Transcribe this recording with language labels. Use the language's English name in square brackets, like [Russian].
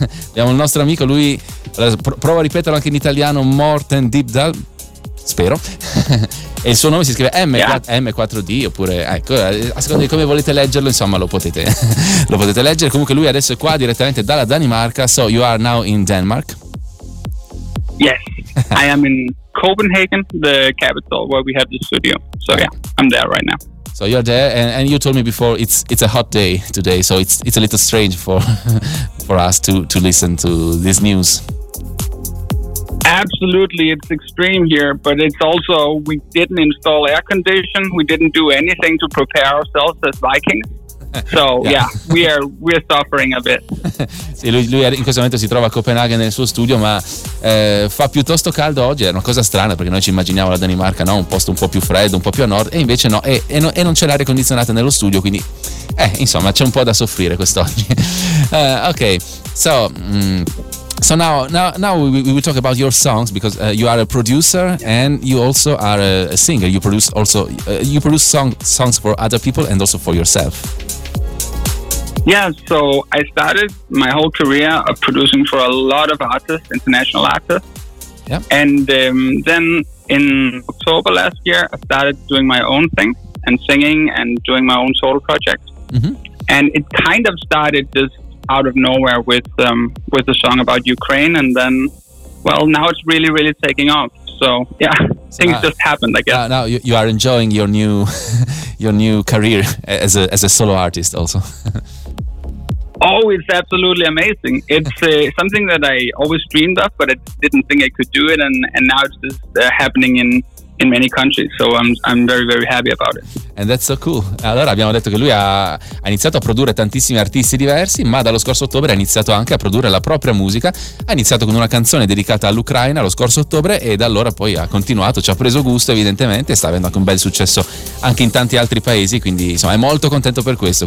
[Italian] Abbiamo il nostro amico, lui prova a ripeterlo anche in italiano, Morten Dybdahl, spero. E il suo nome si scrive M4D oppure ecco, a seconda di come volete leggerlo, insomma, lo potete leggere. Comunque lui adesso è qua direttamente dalla Danimarca. [English] So you are now in Denmark. Yes, I am in Copenhagen, the capital where we have the studio. So yeah, I'm there right now. So you're there, and you told me before it's a hot day today, so it's a little strange for us to listen to this news. Absolutely, it's extreme here, but it's also, we didn't install air condition, we didn't do anything to prepare ourselves as Vikings. So yeah, we are suffering a bit. [Italian] Sì, lui in questo momento si trova a Copenaghen nel suo studio, ma fa piuttosto caldo oggi. È una cosa strana perché noi ci immaginiamo la Danimarca, no? Un posto un po' più freddo, un po' più a nord, e invece no, e non c'è l'aria condizionata nello studio, quindi insomma c'è un po' da soffrire quest'oggi. [English] Ok, so so now we will talk about your songs, because you are a producer and you also are a singer. You produce also songs for other people and also for yourself. Yeah, so I started my whole career of producing for a lot of artists, international artists. Yeah. And then in October last year, I started doing my own thing and singing and doing my own solo project. Mm-hmm. And it kind of started just out of nowhere with a song about Ukraine, and then, well, now it's really, really taking off. So yeah, so things just happened, I guess. Now you are enjoying your new career as a solo artist also. Oh, it's absolutely amazing. It's something that I always dreamed of, but I didn't think I could do it, and now it's just happening in many countries, so I'm very, very happy about it. And that's so cool. [Italian] Allora, abbiamo detto che lui ha iniziato a produrre tantissimi artisti diversi, ma dallo scorso ottobre ha iniziato anche a produrre la propria musica. Ha iniziato con una canzone dedicata all'Ucraina lo scorso ottobre, e da allora poi ha continuato, ci ha preso gusto evidentemente, e sta avendo anche un bel successo anche in tanti altri paesi, quindi insomma è molto contento per questo.